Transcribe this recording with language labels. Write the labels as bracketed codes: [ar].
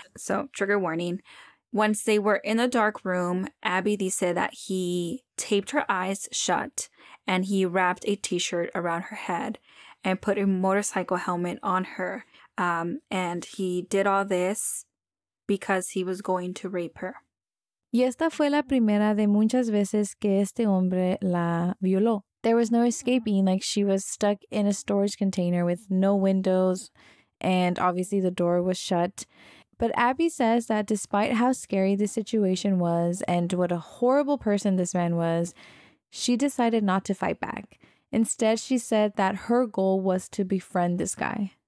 [en] So trigger warning. Once they were in the dark room, Abby said that he taped her eyes shut and he wrapped a t-shirt around her head and put a motorcycle helmet on her. And he did all this because he was going to rape her. [es] Y esta fue la primera de muchas veces que este hombre la violó. [en] There was no escaping. She was stuck in a storage container with no windows. And obviously the door was shut. But Abby says that despite how scary the situation was and what a horrible person this man was, she decided not to fight back. Instead, she said that her goal was to befriend this guy.